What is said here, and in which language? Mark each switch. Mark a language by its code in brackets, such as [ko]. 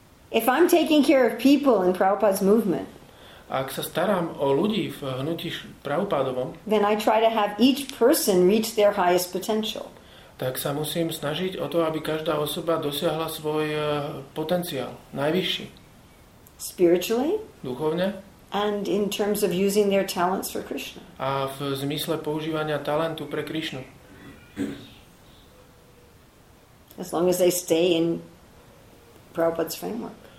[en] If I'm taking care of people in Prabhupada's movement, [sk] ak sa starám o ľudí v hnutí Prabhupádovom, [en] then I try to have each person reach their highest potential. [sk] Tak sa musím snažiť o to, aby každá osoba dosiahla svoj potenciál, najvyšší. [en] Spiritually? [sk] Duchovne? [en] And in terms of using their talents for Krishna. [sk] A v zmysle používania talentu pre Krishnu. [en] As long as they stay in Prabhupada's framework.